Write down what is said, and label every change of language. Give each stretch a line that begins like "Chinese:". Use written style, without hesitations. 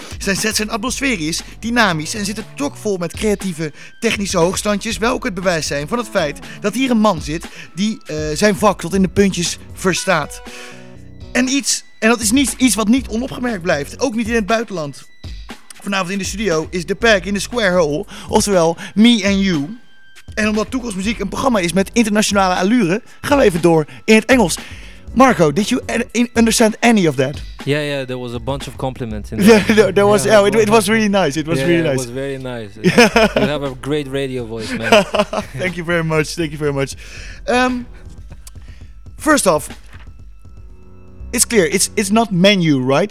Dutch: Zijn set zijn atmosfeer is dynamisch en zit er toch vol met creatieve technische hoogstandjes, welke het bewijs zijn van het feit dat hier een man zit die zijn vak tot in de puntjes verstaat. En dat is iets wat niet onopgemerkt blijft, ook niet in het buitenland. Vanavond in de studio is The Pack in the Square Hole, oftewel Me and You. En omdat Toekomstmuziek een programma is met internationale allure, gaan we even door in het Engels.
English: Marco, did you understand any of that? Yeah, there was a bunch of compliments in there. It was really nice. It was really nice. It was very nice. You have a great radio voice, man. Thank you very much. First off, it's clear. It's not menu, right?